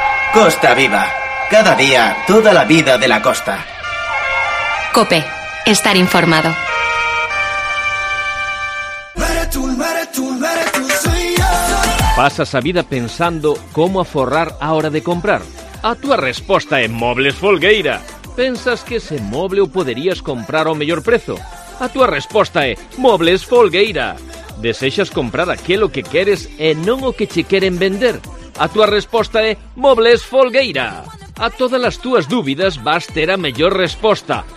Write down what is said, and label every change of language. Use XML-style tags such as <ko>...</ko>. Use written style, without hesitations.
<es>Costa Viva, cada día, toda la vida de la costa. COPE, estar informado.</es> <gl>¿Pasas a vida pensando cómo aforrar a hora de comprar? A tua resposta é Mobles Folgueira. ¿Pensas que ese moble o poderías comprar ao mellor prezo? A tua resposta é Mobles Folgueira. ¿Desexas comprar aquilo que queres e non o que che queren vender? A tua resposta é Mobles Folgueira. A todas as túas dúbidas vas ter a mellor resposta.</gl>